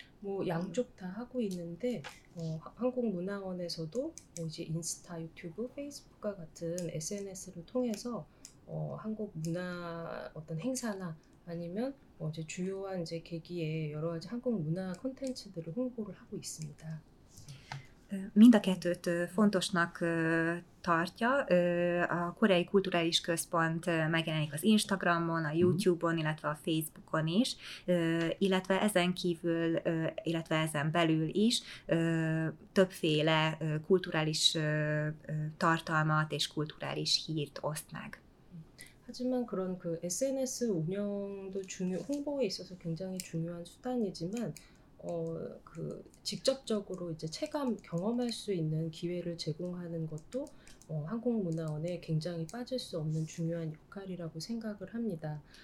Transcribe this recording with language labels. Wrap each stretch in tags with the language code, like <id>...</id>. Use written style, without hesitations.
<ko>뭐 양쪽 다 하고 있는데 한국문화원에서도 뭐 이제 인스타, 유튜브, 페이스북과 같은 SNS를 통해서 한국 문화 어떤 행사나 아니면 이제 주요한 이제 계기에 여러 가지 한국 문화 콘텐츠들을 홍보를 하고 있습니다.</ko> <hu>민d a kettőt fontosnak tartja. A Koreai Kulturális Központ megjelenik az Instagramon, a YouTube-on, illetve a Facebookon is, illetve ezen kívül, illetve ezen belül is többféle kulturális tartalmat és kulturális hírt oszt meg.</hu> <ko>하지만 그런 그 SNS 운영도 홍보에 있어서 굉장히 중요한 수단이지만 그 직접적으로 이제 체감 경험할 수 있는 기회를 제공하는 것도 한국문화원의 굉장히 빠질 수 없는 중요한 역할이라고 생각을 합니다.</ko>